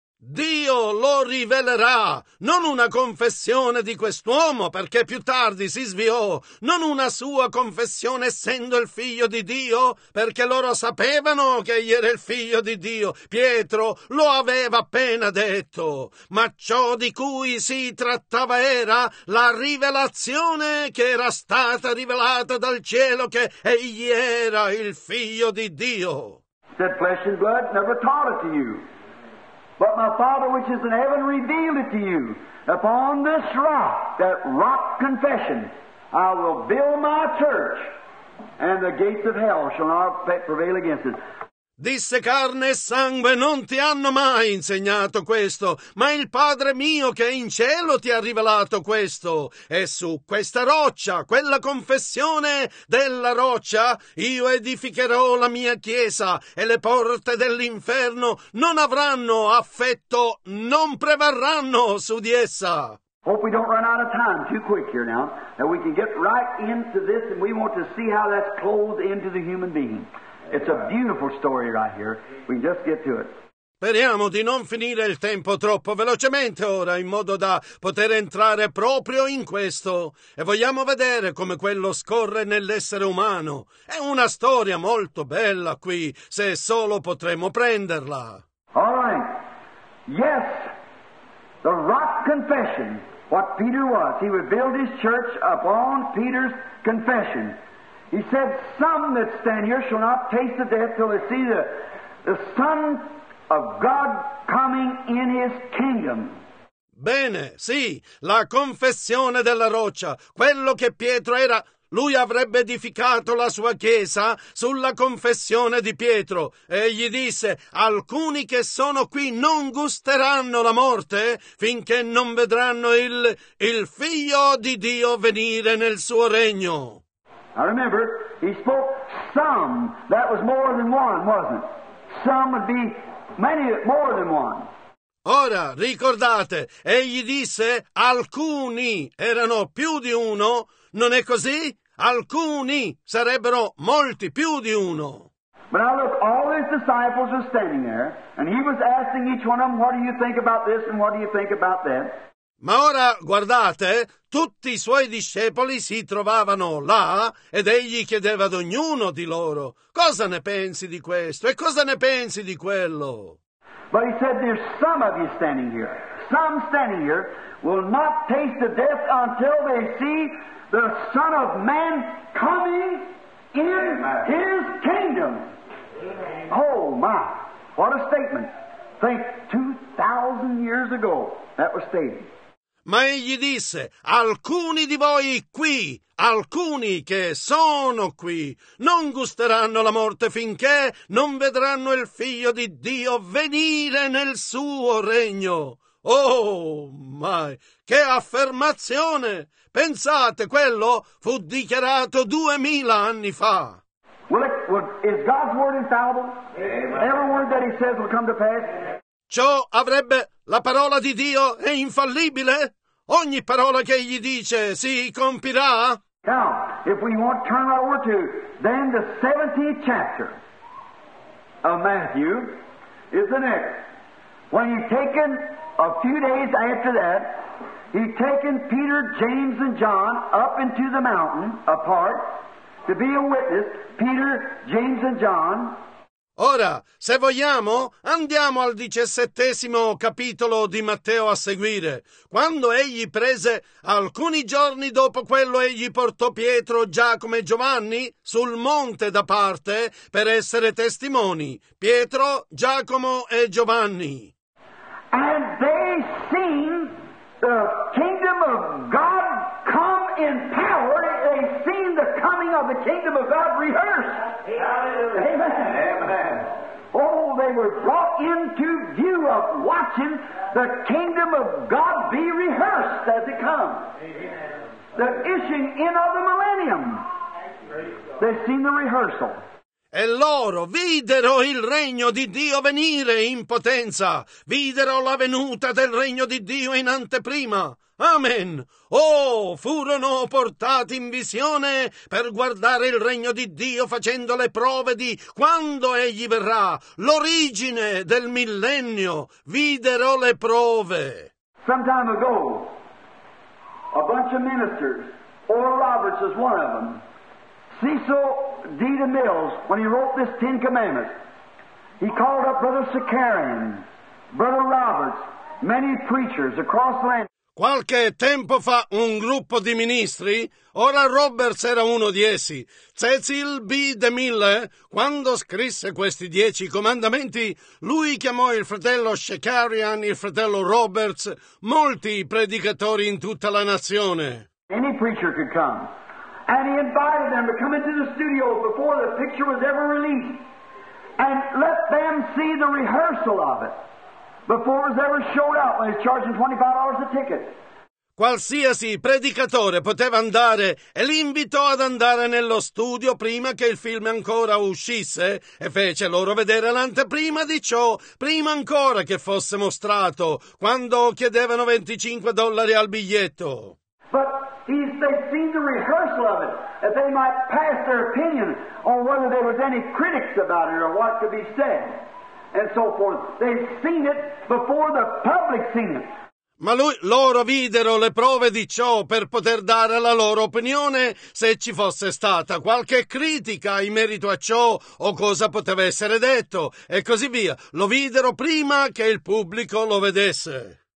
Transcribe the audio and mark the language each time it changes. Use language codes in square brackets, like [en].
[it] Dio lo rivelerà, non una confessione di quest'uomo, perché più tardi si sviò, non una sua confessione essendo il figlio di Dio, perché loro sapevano che egli era il figlio di Dio. Pietro lo aveva appena detto, ma ciò di cui si trattava era la rivelazione che era stata rivelata dal cielo che egli era il figlio di Dio. [en] That flesh and blood never taught it to you. But my Father which is in heaven revealed it to you. Upon this rock, that rock confession, I will build my church, and the gates of hell shall not prevail against it. [it] Disse carne e sangue, non ti hanno mai insegnato questo, ma il Padre mio che è in cielo ti ha rivelato questo. E su questa roccia, quella confessione della roccia, io edificherò la mia chiesa e le porte dell'inferno non avranno affetto, non prevarranno su di essa. [en] Hope we don't run out of time too quick here now, that we can get right into this and we want to see how that's clothed into the human being. It's a beautiful story right here. We just get to it. [it] Speriamo di non finire il tempo troppo velocemente ora, in modo da poter entrare proprio in questo. E vogliamo vedere come quello scorre nell'essere umano. È una storia molto bella qui, se solo potremo prenderla. [en] All right. Yes, the rock confession, what Peter was. He would build his church upon Peter's confession. He said, some that stand here shall not taste of death till they see the Son of God coming in his kingdom. [it] Bene, sì, la confessione della roccia, quello che Pietro era, lui avrebbe edificato la sua chiesa sulla confessione di Pietro. E gli disse, alcuni che sono qui non gusteranno la morte finché non vedranno il Figlio di Dio venire nel suo regno. [en] I remember, he spoke some, that was more than one, wasn't it? Some would be many, more than one. [it] Ora, ricordate, egli disse, alcuni erano più di uno, non è così? Alcuni sarebbero molti più di uno. [en] But now look, all his disciples were standing there, and he was asking each one of them, what do you think about this and what do you think about that? [it] Ma ora, guardate, tutti i suoi discepoli si trovavano là ed egli chiedeva ad ognuno di loro, cosa ne pensi di questo e cosa ne pensi di quello? [en] But he said, there's some of you standing here. Some standing here will not taste of death until they see the Son of Man coming in his kingdom. Oh my, what a statement. Think 2,000 years ago that was stated. [it] Ma egli disse, alcuni di voi qui, alcuni che sono qui, non gusteranno la morte finché non vedranno il Figlio di Dio venire nel suo regno. Oh, mai! Che affermazione! Pensate, quello fu dichiarato 2000 anni fa. [en] Is God's word infallible? Every word that he says will come to pass? [it] Ciò avrebbe la parola di Dio è infallibile? Ogni parola che egli dice si compirà. [en] Now, if we want to turn over to then the 17th chapter of Matthew is the next. When he's taken a few days after that, he's taken Peter, James, and John up into the mountain apart to be a witness. Peter, James, and John. [it] Ora, se vogliamo, andiamo al 17° capitolo di Matteo a seguire. Quando egli prese, alcuni giorni dopo quello, egli portò Pietro, Giacomo e Giovanni sul monte da parte per essere testimoni. Pietro, Giacomo e Giovanni. [en] And they seen the kingdom of God come in power. They seen the coming of the kingdom of God rehearsed. Amen. Oh, they were brought into view of watching the kingdom of God be rehearsed as it comes. The issuing in of the millennium. They seen the rehearsal. [it] E loro videro il regno di Dio venire in potenza. Videro la venuta del regno di Dio in anteprima. Amen. Oh, furono portati in visione per guardare il regno di Dio facendo le prove di quando egli verrà, l'origine del millennio. Videro le prove. [en] Some time ago, a bunch of ministers, Oral Roberts is one of them, Cecil D. DeMille, when he wrote this Ten Commandments, he called up Brother Sakarian, Brother Roberts, many preachers across the land. [it] Qualche tempo fa un gruppo di ministri, ora Roberts era uno di essi, Cecil B. DeMille, quando scrisse questi 10 comandamenti, lui chiamò il fratello Shekarian, il fratello Roberts, molti predicatori in tutta la nazione. [en] Any preacher could come. And he invited them to come into the studio before the picture was ever released. and let them see the rehearsal of it before it was ever showed up when it's charging $25 a ticket. [it] Qualsiasi predicatore poteva andare e l'invitò ad andare nello studio prima che il film ancora uscisse e fece loro vedere l'anteprima di ciò, prima ancora che fosse mostrato, quando chiedevano $25 al biglietto. [en] But they see the rehearsal of it, that they might pass their opinion on whether there was any critics about it or what could be said, and so forth. They've seen it before the public seen it. [it] Ma loro videro le prove di ciò per poter dare la loro opinione se ci fosse stata qualche critica in merito a ciò o cosa poteva essere detto, e così via. Lo videro prima che il pubblico lo vedesse.